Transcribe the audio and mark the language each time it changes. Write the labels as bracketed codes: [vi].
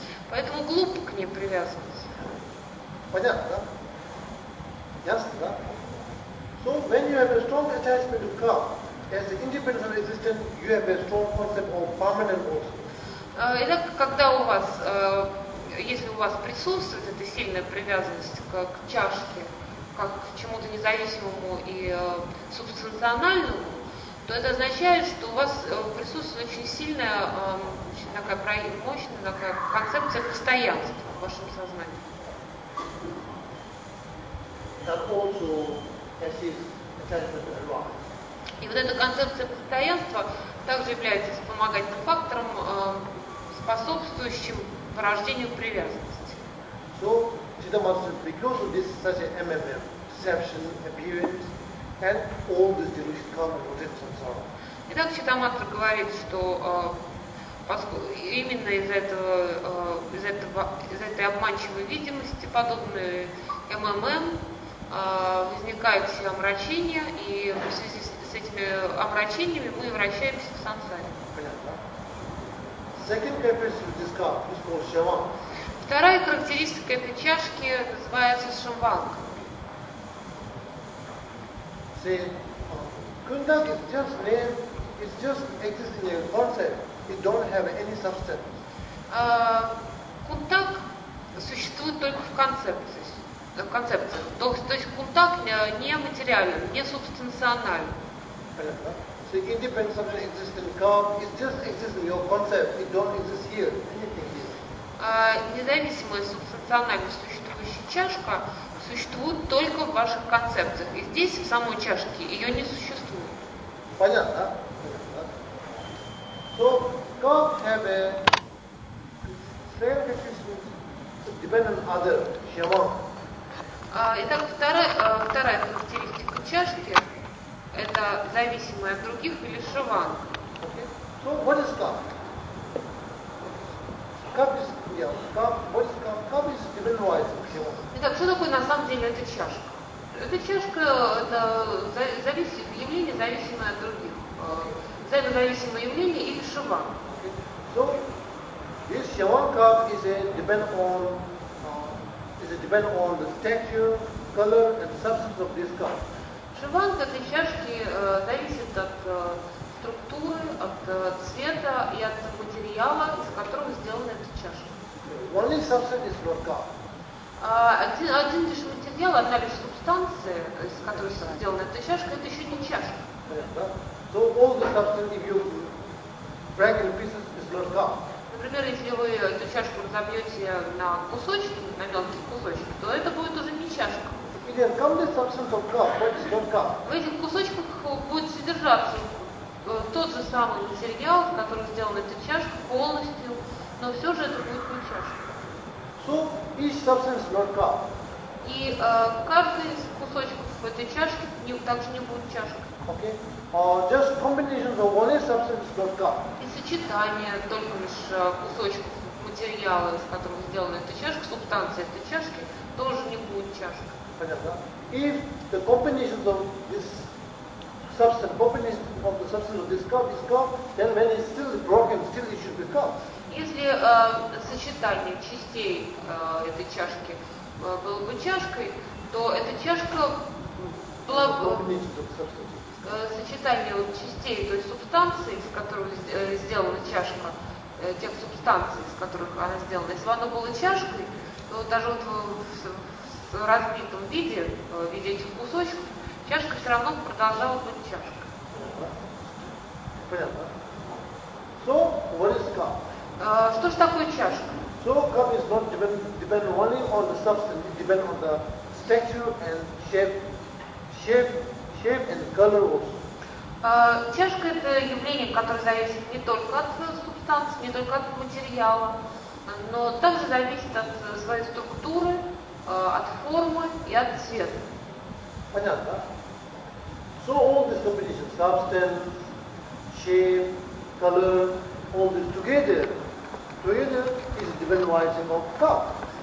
[ru] Поэтому глупо к ней привязываться. Понятно, да? Ясно, да? [en] So when you have a strong attachment to cup, as an independent of existence, you have a strong concept of permanent also. [ru] Итак, когда у вас если у вас присутствует эта сильная привязанность к чашке, как к чему-то независимому и субстанциональному, то это означает, что у вас присутствует очень сильная, очень такая мощная такая концепция постоянства в вашем сознании. И вот эта концепция постоянства также является вспомогательным фактором, способствующим порождению привязанности. [en] So, Siddha Master, because of this such a MMM, deception, appearance, and all this delusion, karma, projects, and so on. [ru] Итак, Siddha Master говорит, что именно из этой обманчивой видимости подобные MMM возникают все омрачения, и в связи с этими омрачениями мы вращаемся в сансаре. [en] Second characteristic of this cup is called Shavang. [ru] Вторая характеристика этой чашки называется Шаванг. [en] See, Kundak is just name, it's just existing in concept. It don't have any substance. [ru] Кунтак существует только в концепции. То есть кунтак не материален, не субстанциональ. [en] The independent substance existing cup is just existing your concept. It don't exist here. Anything here. [ru] Независимая субстанциональная существующая чашка существует только в ваших концепциях. И здесь, в самой чашке, ее не существует. Понятно? [en] So cup have a same existence dependent on other shaman. [ru] Итак, вторая характеристика чашки. Это зависимое от других или шаван. [en] Okay. So what is cup? Cup is, yeah, cup, what is cup? Cup is dependent wise of shaman. [ru] Итак, что такое на самом деле эта чашка? Эта чашка это явление, зависимое от других. Взаимозависимое явление или шаван. [en] Okay. So this shaman cup is a depend on the texture, color and substance of this cup. [ru] Шаванг этой чашки зависит от структуры, от цвета и от материала, из которого сделана эта чашка. [en] Only substance is not cup. [ru] Один лишь материал, одна лишь субстанция, из которой сделана эта чашка, это еще не чашка. Понятно? [en] So all the substance, if you break in pieces, is not God. [ru] Например, если вы эту чашку разобьете на кусочки, на мелкие кусочки, то это будет уже не чашка. В этих кусочках будет содержаться тот же самый материал, в котором сделана эта чашка полностью, но все же это будет не чашка. [en] So each substance not cup. [ru] И каждый из кусочков этой чашки также не будет чашкой. [en] Just combinations of only substance not cup. [ru] И сочетание только лишь кусочков материала, из которого сделана эта чашка, субстанция этой чашки, тоже не будет чашкой. [en] If the combinations of this substance, combination of the substance of this cup is cup, then when it's still broken, still it should be cup. [ru] Если сочетание частей этой чашки было бы чашкой, то эта чашка была бы сочетание частей той субстанции, из которой сделана чашка, тех субстанций, из которых она сделана. Если бы она была чашкой, то даже в разбитом виде, в виде этих кусочков, чашка все равно продолжала быть чашкой. Понятно. [en] So, what is cup? [ru] Что же такое чашка? [en] So, cup is not depend only on the substance, it depends on the structure and shape and color also. [ru] Чашка – это явление, которое зависит не только от субстанции, не только от материала, но также зависит от своей структуры, от формы и от цвета. Понятно. [en] So all these combinations, substance, shape, color, all this together is the devaluation of cup.